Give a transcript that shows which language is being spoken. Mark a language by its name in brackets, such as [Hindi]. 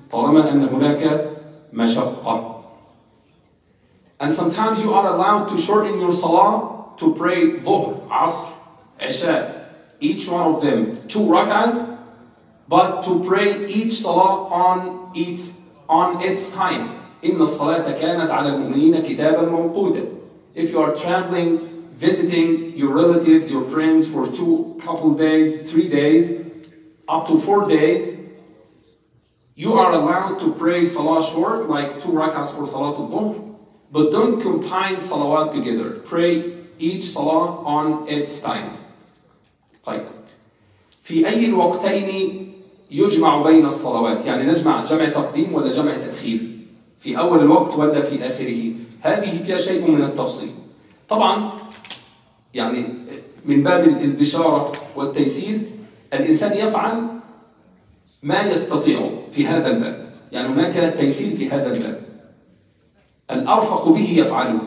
[Arabic] طالما أن هناك مشقة. [English] And sometimes you are allowed to shorten your Salah to pray Dhuhr, Asr, Isha, each one of them 2 rak'ahs, but to pray each Salah on its time. [Arabic] إن الصلاة كانت على المؤمنين كتابا موقودا. [English] If you are traveling, visiting your relatives, your friends for 2 couple days, 3 days, up to 4 days, you are allowed to pray salah short, like 2 rak'ahs for salat al-dhuhr, but don't combine salawat together. Pray each salah on its time. [Arabic] طيب. في أي الوقتين يجمع بين الصلوات؟ يعني نجمع جمع تقديم ولا جمع تأخير؟ في أول الوقت ولا في آخره؟ هذه فيها شيء من التفصيل. طبعا يعني من باب البشارة والتيسير، الإنسان يفعل ما يستطيع في هذا الباب، يعني هناك تيسير في هذا الباب، الأرفق به يفعله.